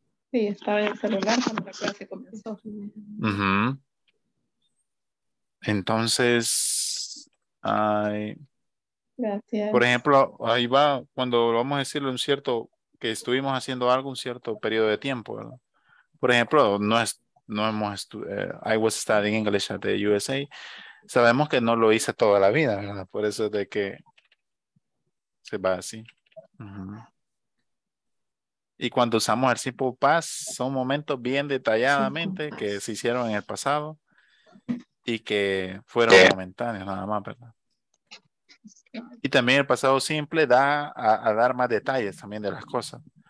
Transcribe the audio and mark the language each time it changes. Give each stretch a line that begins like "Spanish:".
Spanish: Sí, estaba en el celular cuando la clase comenzó. Uh-huh. Entonces, gracias. Por ejemplo, ahí va, cuando vamos a decirle un cierto, que estuvimos haciendo algo un cierto periodo de tiempo, ¿verdad?
English: Por ejemplo, I was studying English at the USA.
Spanish: Sabemos que no lo hice toda la vida, ¿verdad? Por eso de que se va así. Uh-huh. Y cuando usamos el simple past, son momentos bien detalladamente que se hicieron en el pasado. Y que fueron momentáneos, nada más, ¿verdad? Y también el pasado simple da a dar más detalles también de las cosas.